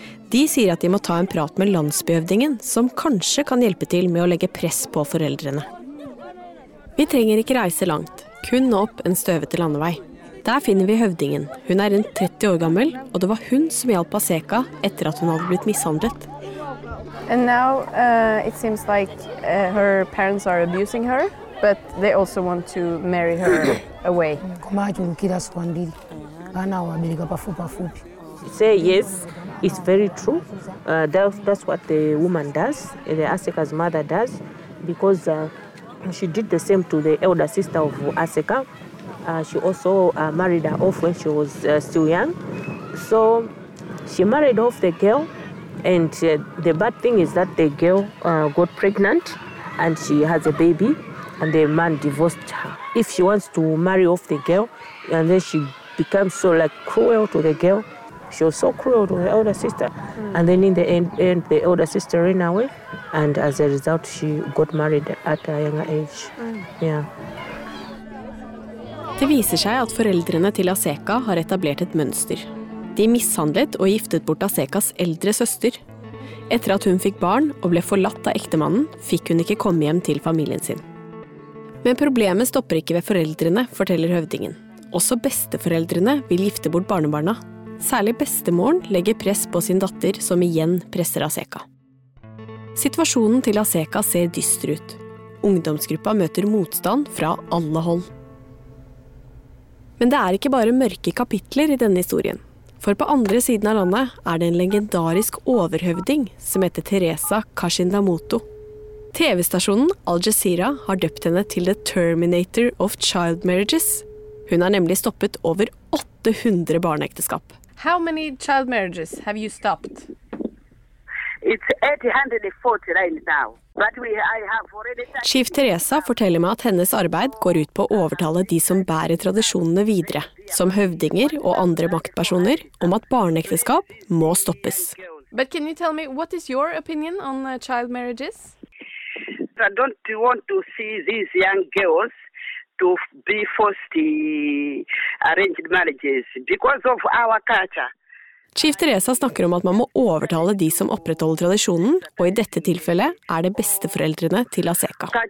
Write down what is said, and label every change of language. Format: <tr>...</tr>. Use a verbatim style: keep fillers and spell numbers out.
<no>De sier at de må ta en prat med landsbyhøvdingen, som kanskje kan hjelpe til med å legge press på foreldrene. Vi trenger ikke reise langt, kun opp en støvete landevei. Der finner vi høvdingen. Hun er rundt tretti år gammel, og det var hun som hjalp Aseka etter at hun hadde blitt mishandlet.</no> <en>And now uh, it seems like uh, her parents are abusing her. But they also want to marry her away. Say yes, it's very true. Uh, that, that's what the woman does, the Aseka's mother does, because uh, she did the same to the elder sister of Aseka. Uh, she also uh, married her off when she was uh, still young. So she married off the girl, and uh, the bad thing is that the girl uh, got pregnant and she has a baby. And the man divorced her. If she wants to marry off the girl, and then she becomes so like cruel to the girl, she was so cruel to her elder sister. Mm. And then in the end, end, the elder sister ran away, and as a result, she got married at a younger age. Mm. Yeah.</en> <no>Det viser seg at foreldrene til Aseka har etablert et mønster. De mishandlet og giftet bort Asekas eldre søster. Etter at hun fikk barn og ble forlatt av ektemannen, fikk hun ikke komme hjem til familien sin. Men problemet stopper ikke ved foreldrene, forteller høvdingen. Også besteforeldrene vil gifte bort barnebarna. Særlig bestemoren legger press på sin datter, som igjen presser Aseka. Situasjonen til Aseka ser dyster ut. Ungdomsgruppa møter motstand fra alle hold. Men det er ikke bare mørke kapitler i denne historien. For på andre siden av landet er det en legendarisk overhøvding som heter Teresa Kashindamoto. T V-stasjonen Al Jazeera har døpt henne til The Terminator of Child Marriages. Hun har nemlig stoppet over åtte hundre barneekteskap.</no> <en>How many child marriages have you stopped? It's eight hundred forty right now. But we, I have already...</en> <no>Chief Teresa forteller meg at hennes arbeid går ut på å overtale de som bærer tradisjonene videre, som høvdinger og andre maktpersoner, om at barneekteskap må stoppes.</no> <en>But can you tell me, what is your opinion on uh, child marriages? I don't want to see these young girls to be forced arranged marriages because of our culture.</en> <no>Chief Teresa snakker om at man må overtale de som opprettholder tradisjonen, og i dette tilfellet er det besteforeldrene til Aseka.</no>